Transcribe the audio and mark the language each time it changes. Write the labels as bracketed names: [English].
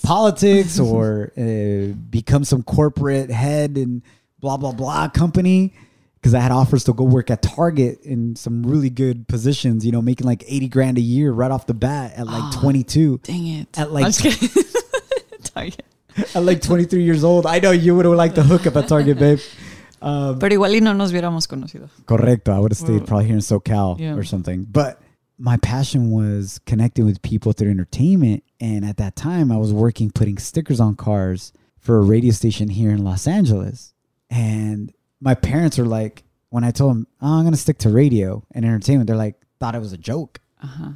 [English] politics or become some corporate head and blah blah blah company. Because I had offers to go work at Target in some really good positions, you know, making like 80 grand a year right off the bat at 22. Dang it. At Target. At 23 years old. I know you would have liked the hookup at Target, babe. [Spanish] Pero igual y no nos hubiéramos conocido. Correcto. [English] I would have stayed probably here in SoCal or something. But my passion was connecting with people through entertainment. And at that time, I was working putting stickers on cars for a radio station here in Los Angeles. And my parents were like, when I told them, oh, I'm going to stick to radio and entertainment, they're like, thought it was a joke. Uh-huh.